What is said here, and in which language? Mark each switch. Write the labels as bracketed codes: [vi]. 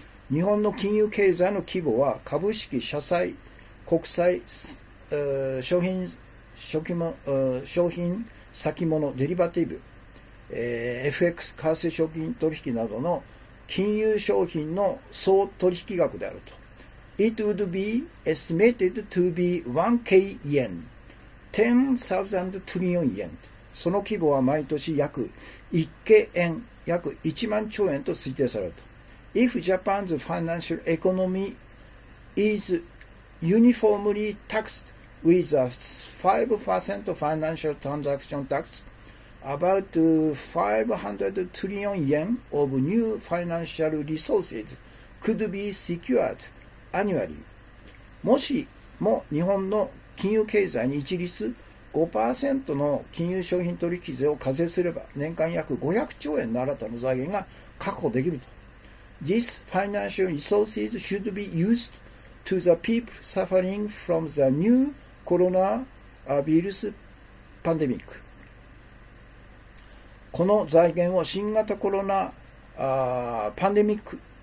[ja] 日本の金融経済の規模は株式、社債、国債、商品先物、デリバティブ、FX、為替商品取引などの金融商品の総取引額であると。 [en] It would be estimated to be 1K yen, 10,000 trillion yen. [ja] その規模は毎年約 1K円、約1万兆円と推定されると。 [en] If Japan's financial economy is uniformly taxed with a 5% financial transaction tax,About 500 trillion yen of new financial resources could be secured annually. [ja] もしも日本の金融経済に一律 5% の金融商品取引税を課税すれば、年間約500兆円の新たな財源が確保できると。 [en] These financial resources should be used to the people suffering from the new coronavirus pandemic. [ja] この財源を新型コロナパンデミック